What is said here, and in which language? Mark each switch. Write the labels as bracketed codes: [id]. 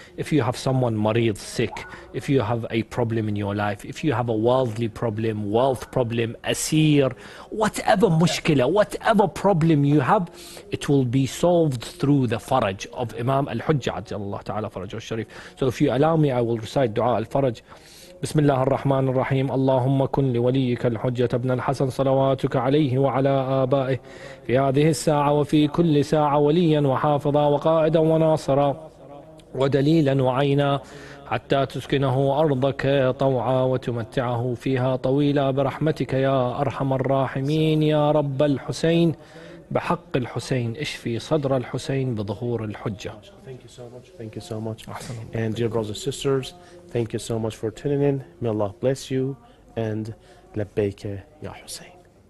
[en] If you have someone mareed, sick, if you have a problem in your life, if you have a worldly problem, wealth problem, asir, whatever mushkila, whatever problem you have, it will be solved through the faraj of Imam Al-Hujjah [ar] ajallahu ta'ala faraj al-sharif. [en] So if you allow me, I will recite dua al-faraj. [ar] بسم الله الرحمن الرحيم اللهم كن لوليك الحجة ابن الحسن صلواتك عليه وعلى آبائه في هذه الساعة وفي كل ساعة وليا وحافظا وقائدا وناصرا ودليلا وعينا حتى تسكنه أرضك طوعا وتمتعه فيها طويلا برحمتك يا أرحم الراحمين يا رب الحسين بحق الحسين اشفي صدر الحسين بظهور الحجة. [en] Thank you so much. Thank you so much. And dear brothers and sisters, thank you so much for tuning in. May Allah bless you and [ar] labbaik ya Hussein.